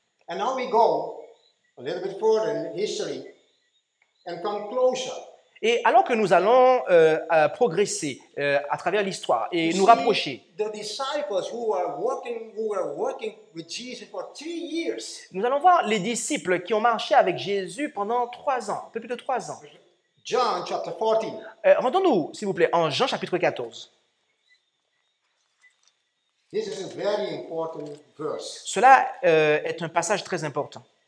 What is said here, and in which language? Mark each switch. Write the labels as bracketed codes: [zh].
[en] And now we go a little bit further in history and come closer. [fr] Et alors que nous allons progresser à travers l'histoire et [en] you [fr] nous rapprocher, [en] see, the disciples who were working with Jesus for 3 years, [fr] nous allons voir les disciples qui ont marché avec Jésus pendant 3 ans, un peu plus de 3 ans. [en] John chapter 14. [fr] Rendons-nous, s'il vous plaît, en Jean chapitre 14. [en] This is a very important verse. [fr] Cela est un passage très important.